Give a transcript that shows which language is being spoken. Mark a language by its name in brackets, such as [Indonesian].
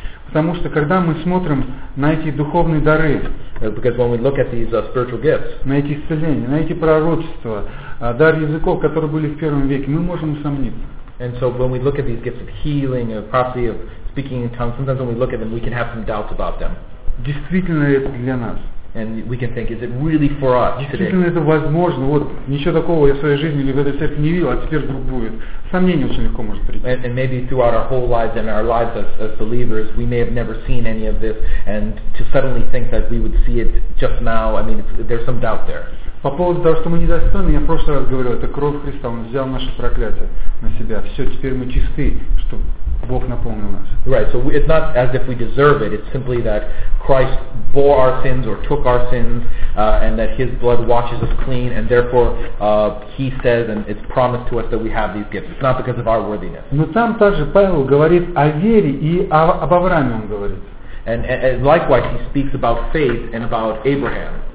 [Russian] Потому что когда мы смотрим на эти духовные дары, [English] because when we look at these spiritual gifts, [Russian] на эти исцеления, на эти пророчества, дар языков, которые были в первом веке, мы можем усомниться. [English] And so when we look at these gifts of healing, of prophecy, of speaking in tongues, sometimes when we look at them, we can have some doubts about them. [Russian] Действительно ли это для нас? [English] And we can think, is it really for us today? [Russian] Действительно ли это возможно? Вот ничего такого я в своей жизни или в этой церкви не видел, а теперь вдруг будет. Сомнение очень легко может прийти. [English] And maybe throughout our whole lives and our lives as believers, we may have never seen any of this, and to suddenly think that we would see it just now, I mean, there's some doubt there. [Russian] По поводу того, что мы недостойны, я в прошлый раз говорил, это кровь Христа, Он взял наше проклятие на себя. Все, теперь мы чисты, чтобы Бог наполнил нас. [English] Right, so it's not as if we deserve it, it's simply that Christ bore our sins or took our sins, and that His blood washes us clean, and therefore He says, and it's promised to us that we have these gifts. It's not because of our worthiness. [Russian] Но там также Павел говорит о вере и об Аврааме он говорит. [English] And likewise, he speaks about faith and about Abraham.